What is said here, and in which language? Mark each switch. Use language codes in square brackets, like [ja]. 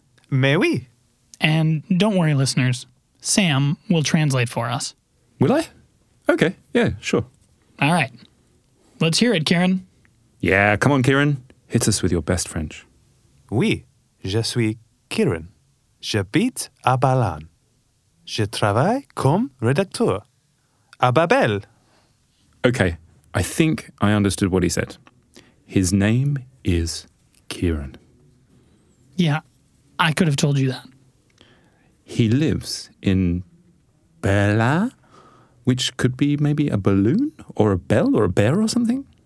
[fr] Mais oui. [en] And don't worry, listeners. Sam will translate for us. Will I? Okay, yeah, sure. All right. Let's hear it, Kieran. Yeah, come on, Kieran. Hit us with your best French. [fr] Oui, je suis Kieran. J'habite à Balan. Je travaille comme rédacteur. À Babel. [en] Okay, I think I understood what he said. His name is Kieran. Yeah, I could have told you that. He lives in Bella, which could be maybe a balloon or a bell or a bear or something.